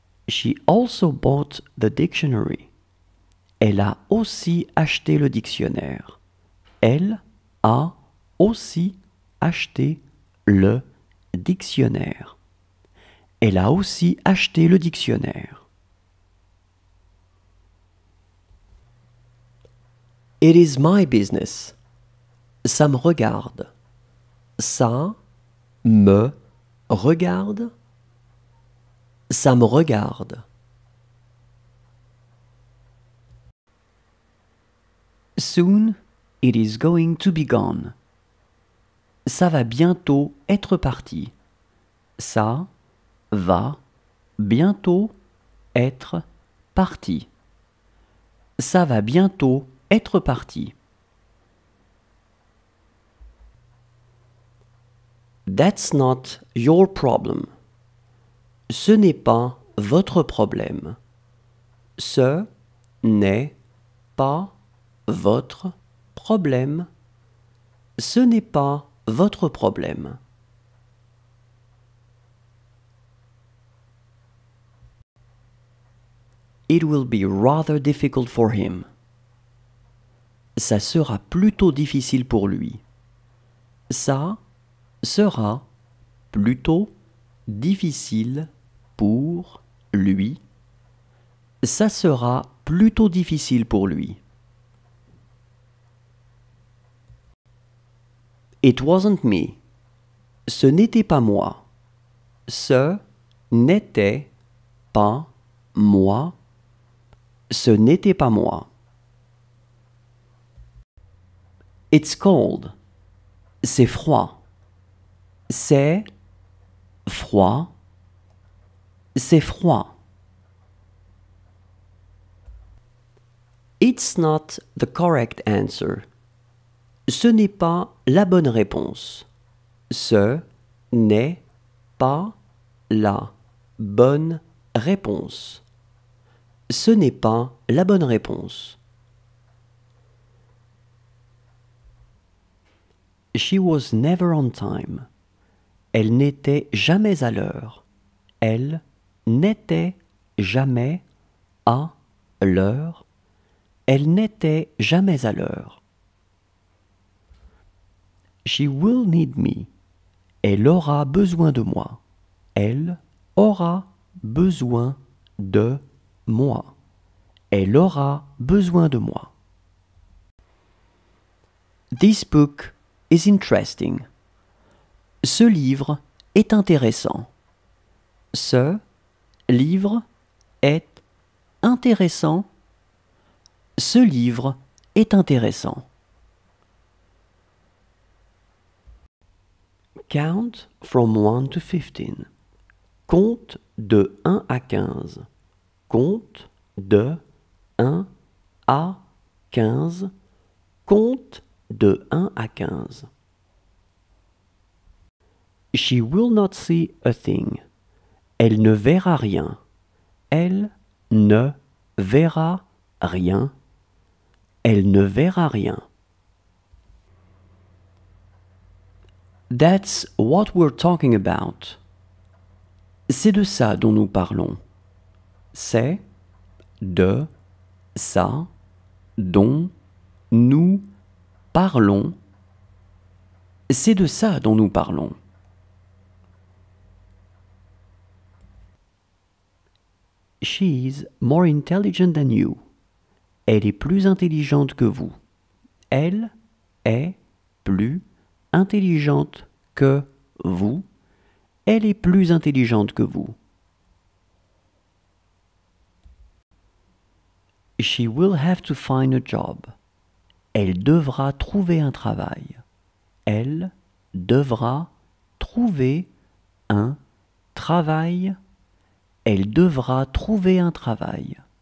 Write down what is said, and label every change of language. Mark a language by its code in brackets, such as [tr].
[en] She also bought the dictionary. [fr] Elle a aussi acheté le dictionnaire. Elle a aussi acheté le dictionnaire. Elle a aussi acheté le dictionnaire. [en] It is my business. [fr] Ça me regarde. Ça me regarde. Ça me regarde. [en] Soon, it is going to be gone. [fr] Ça va bientôt être parti. Ça va bientôt être parti. Ça va bientôt être parti. [en] That's not your problem. [fr] Ce n'est pas votre problème. Ce n'est pas votre problème. Ce n'est pas votre problème. [en] It will be rather difficult for him. [fr] Ça sera plutôt difficile pour lui. Ça sera plutôt difficile pour lui. Ça sera plutôt difficile pour lui. [en] It wasn't me. [fr] Ce n'était pas moi. Ce n'était pas moi. Ce n'était pas moi. [en] It's cold. [fr] C'est froid. C'est froid. C'est froid. [en] It's not the correct answer. [fr] Ce n'est pas la bonne réponse. Ce n'est pas la bonne réponse. Ce n'est pas la bonne réponse. [en] She was never on time. [fr] Elle n'était jamais à l'heure. Elle n'était jamais à l'heure. Elle n'était jamais à l'heure. [en] She will need me. [fr] Elle aura besoin de moi. Elle aura besoin de moi. Elle aura besoin de moi. [en] This book is interesting. [fr] Ce livre est intéressant. Ce livre est intéressant. Ce livre est intéressant. [en] Count from 1 to 15. [fr] Compte de 1 à 15. Compte de 1 à 15. Compte de 1 à 15. [en] She will not see a thing. [fr] Elle ne verra rien. Elle ne verra rien. Elle ne verra rien. [en] That's what we're talking about. [fr] C'est de ça dont nous parlons. C'est de ça dont nous parlons. C'est de ça dont nous parlons. [en] She's more intelligent than you. [fr] Elle est plus intelligente que vous. Elle est plus intelligente que vous. Elle est plus intelligente que vous. [en] She will have to find a job. [fr] Elle devra trouver un travail. Elle devra trouver un travail. Elle devra trouver un travail.